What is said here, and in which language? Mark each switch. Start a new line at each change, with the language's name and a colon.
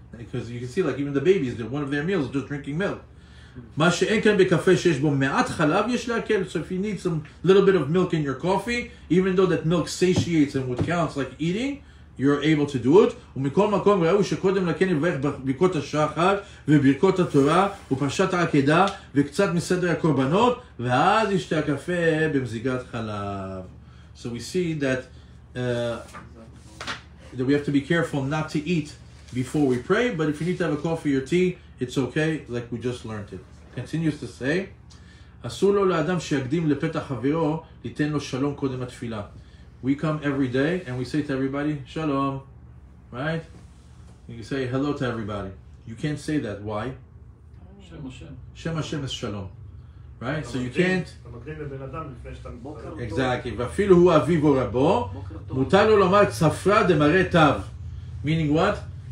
English: Because you can see, like, even the babies, one of their meals is just drinking milk. So if you need some little bit of milk in your coffee, even though that milk satiates and what counts like eating, you're able to do it.
Hebrew: ומכל מקום ראו שקודם לכן יברך בברכות השחר וברכות התורה ופרשת העקדה וקצת מסדר הקורבנות ואז ישתה הקפה במזיגת חלב.
English: So we see that that we have to be careful not to eat before we pray, but if you need to have a coffee or tea, it's okay, like we just learned it. Continues to say,
Hebrew: אסור לו לאדם שיקדים לפתח חברו ליתן לו שלום קודם התפילה.
English: We come every day and we say to everybody, Shalom, right? And you say hello to everybody. You can't say that. Why? Shem Hashem. Shem Hashem is Shalom, right? So you can't. Exactly.
Hebrew: V'afilu hu aviv o rabo, mutar lo lomar tzafra demare tav.
English: Meaning what?